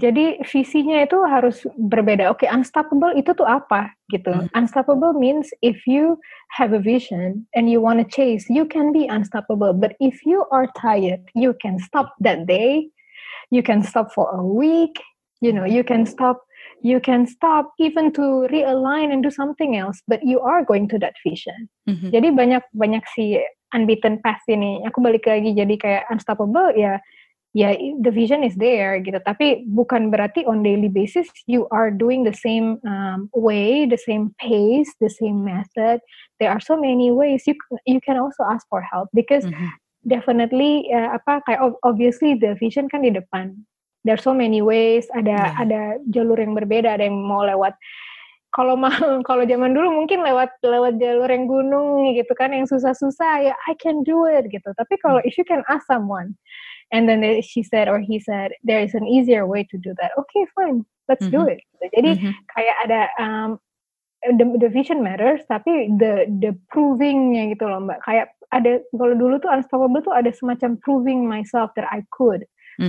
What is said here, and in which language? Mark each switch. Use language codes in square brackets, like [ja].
[id] Jadi visinya itu harus berbeda. Okay, unstoppable itu tuh apa gitu? Mm-hmm. [en] Unstoppable means if you have a vision and you want to chase, you can be unstoppable. But if you are tired, you can stop that day. You can stop for a week. You know, you can stop. You can stop even to realign and do something else. But you are going to that vision. Mm-hmm. [id] Jadi banyak si [en] unbeaten path ini. [id] Aku balik lagi jadi kayak unstoppable ya. [en] Yeah, the vision is there, [id] gitu. Tapi bukan berarti [en] on daily basis you are doing the same way, the same pace, the same method. There are so many ways. You can also ask for help because definitely obviously the vision [id] kan di depan. [en] There are so many ways. Ada jalur yang berbeda. Ada yang mau lewat. [id] Kalau zaman dulu mungkin lewat jalur yang gunung gitu kan yang susah-susah. [en] Ya, I can do it, gitu. [id] Tapi kalau [en] if you can ask someone. And then she said or he said, there is an easier way to do that. Okay, fine. Let's do it. [id] Jadi kayak ada [en] the vision matters, tapi the proving-nya gitu loh, Mbak. [id] Kayak ada, kalau dulu tuh unstoppable tuh ada semacam [en] proving myself that I could. [id] Mm-hmm.